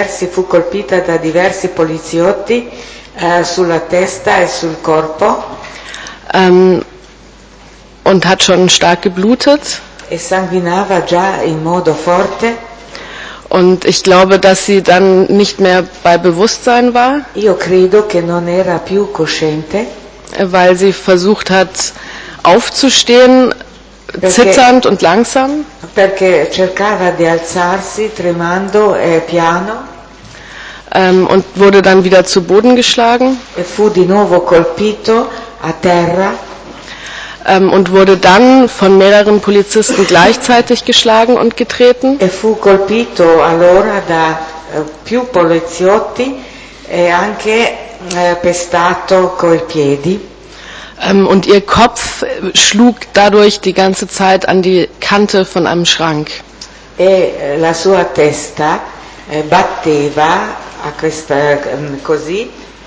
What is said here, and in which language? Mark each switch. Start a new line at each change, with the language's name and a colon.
Italian: Fu colpita da diversi poliziotti sulla testa e sul corpo.
German: Und hat schon stark geblutet.
Italian: E sanguinava già in modo forte.
German: Und ich glaube, dass sie dann nicht mehr bei Bewusstsein war.
Italian: Io credo che non era più cosciente.
German: Weil sie versucht hat, aufzustehen, zitternd und langsam.
Italian: Perché cercava di alzarsi, tremando e piano.
German: Und wurde dann wieder zu Boden geschlagen.
Italian: E fu di nuovo colpito a terra.
German: Und wurde dann von mehreren Polizisten gleichzeitig geschlagen und getreten.
Italian: E fu colpito allora da più poliziotti e anche pestato coi piedi.
German: Und ihr Kopf schlug dadurch die ganze Zeit an die Kante von einem Schrank.
Italian: E la sua testa batteva a questa così.